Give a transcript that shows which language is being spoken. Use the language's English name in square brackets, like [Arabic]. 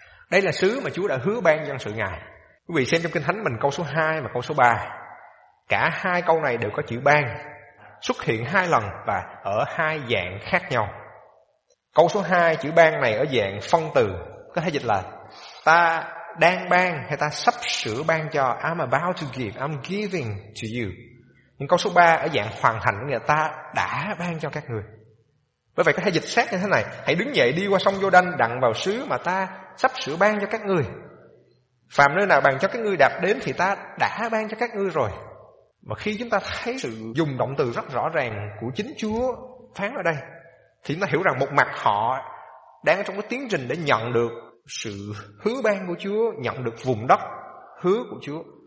[Vietnamese] Đây là xứ mà Chúa đã hứa ban dân sự Ngài. Quý vị xem trong Kinh Thánh mình câu số 2 và câu số 3, cả hai câu này đều có chữ ban xuất hiện hai lần và ở hai dạng khác nhau. Câu số 2, chữ ban này ở dạng phân từ, có thể dịch là ta đang ban hay ta sắp sửa ban cho. [English] I'm about to give, I'm giving to you. [Vietnamese] Nhưng câu số 3 ở dạng hoàn thành, nghĩa là ta đã ban cho các người. Bởi vậy có thể dịch sát như thế này: hãy đứng dậy đi qua sông Giô-đanh đặng vào xứ mà ta sắp sửa ban cho các người. Phàm nơi nào bàn cho các ngươi đạp đến thì ta đã ban cho các ngươi rồi. Mà khi chúng ta thấy sự dùng động từ rất rõ ràng của chính Chúa phán ở đây, thì chúng ta hiểu rằng một mặt họ đang trong cái tiến trình để nhận được sự hứa ban của Chúa, nhận được vùng đất hứa của Chúa.